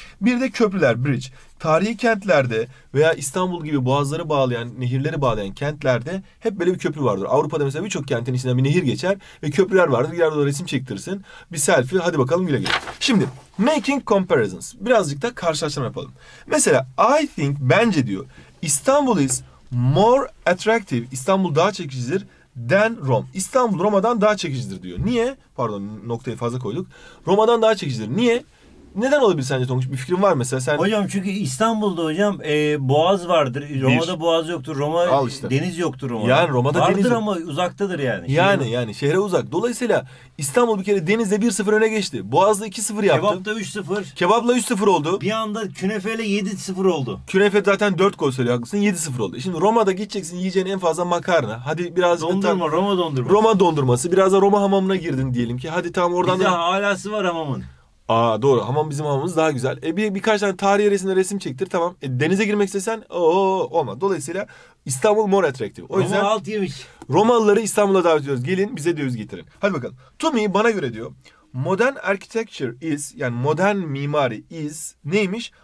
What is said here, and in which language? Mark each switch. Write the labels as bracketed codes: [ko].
[tr] Bir de köprüler, bridge. Tarihi kentlerde veya İstanbul gibi boğazları bağlayan, nehirleri bağlayan kentlerde hep böyle bir köprü vardır. Avrupa'da mesela birçok kentin içinden bir nehir geçer ve köprüler vardır. Gider orada resim çektirsin. Bir selfie, hadi bakalım güle güle. Şimdi [en] making comparisons. [tr] Birazcık da karşılaştırma yapalım. Mesela [en] I think, [tr] bence diyor, [en] İstanbul is more attractive. [tr] İstanbul daha çekicidir [en] than Rome. [tr] İstanbul Roma'dan daha çekicidir diyor. Niye? Pardon, noktayı fazla koyduk. Roma'dan daha çekicidir. Niye? Neden olabilir sence Tonguç? Bir fikrin var mesela sen? Hocam çünkü İstanbul'da hocam boğaz vardır. Roma'da boğaz yoktur. Roma işte. Deniz yoktur Roma'da. Yani Roma'da vardır deniz yok. Vardır ama uzaktadır yani. Yani şehre uzak. Dolayısıyla İstanbul bir kere denizde 1-0 öne geçti. Boğaz'da 2-0 yaptı. Kebap'ta 3-0. Kebap'la 3-0 oldu. Bir anda künefeyle 7-0 oldu. Künefe zaten 4 gol söylüyor, haklısın. 7-0 oldu. Şimdi Roma'da gideceksin, yiyeceğin en fazla makarna. Hadi biraz dondurma, Roma dondurması. Roma dondurması. Biraz da Roma hamamına girdin diyelim ki. Hadi tamam, oradan bize da halası var hamamın. Aa doğru, hamam bizim hamamımız daha güzel. Birkaç tane tarihi resimde resim çektir, tamam. Denize girmek istesen olmaz. Dolayısıyla İstanbul [en] more attractive. [tr] O yüzden Roma alt yemiş. Romalıları İstanbul'a davet ediyoruz. Gelin bize döviz getirin. Hadi bakalım. Tumi bana göre diyor. [en] Modern architecture is, [tr] yani modern mimari is neymiş?